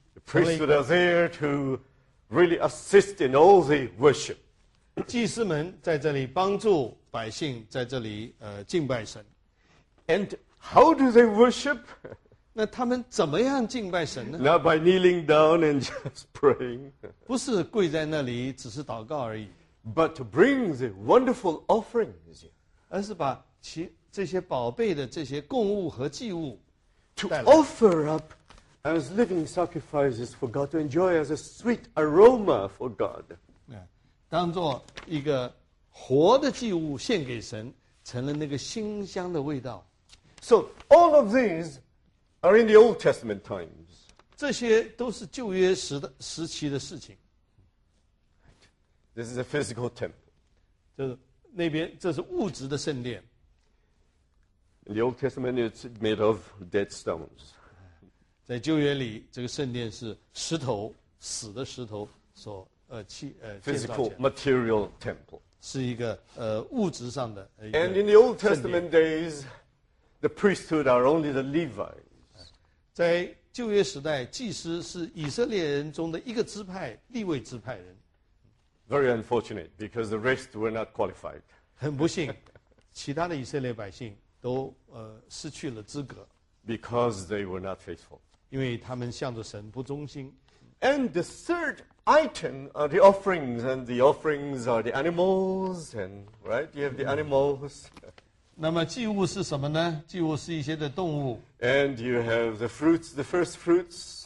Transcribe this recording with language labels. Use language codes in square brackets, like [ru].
[en] The priesthood are there to really assist in all the worship. [zh] 祭司们在这里帮助百姓在这里敬拜神。 [en] And how do they worship? [zh] 那他们怎么样敬拜神呢？ [en] Not by kneeling down and just praying. [zh] 不是跪在那里只是祷告而已。 [en] But to bring the wonderful offerings. [zh] 而是把这些宝贝的这些供物和祭物 [en] to offer up as living sacrifices for God, to enjoy as a sweet aroma for God. [zh] 当作一个活的祭物献给神，成了那个馨香的味道。 [en] So all of these are in the Old Testament times. [zh] 这些都是旧约时期的事情。 [en] This is a physical temple. [zh] 就是那边，这是物质的圣殿。 [en] In the Old Testament, it's made of dead stones. [zh] 在旧约里，这个圣殿是石头，死的石头所 [en] Physical material temple. [zh] 是一个物质上的。 [en] And in the Old Testament days, the priesthood are only the Levites. [zh] 在旧约时代，祭司是以色列人中的一个支派，利未支派人。 [en] Very unfortunate, because the rest were not qualified. [zh] 很不幸，其他的以色列百姓。都失去了资格 [en] ，because they were not faithful， [zh] 因为他们向着神不忠心。 [en] And the third item are the offerings, and the offerings are the animals, and right, you have the animals.、 [zh] 那么祭物是什么呢？祭物是一些的动物。 [en] And you have the fruits, the first fruits，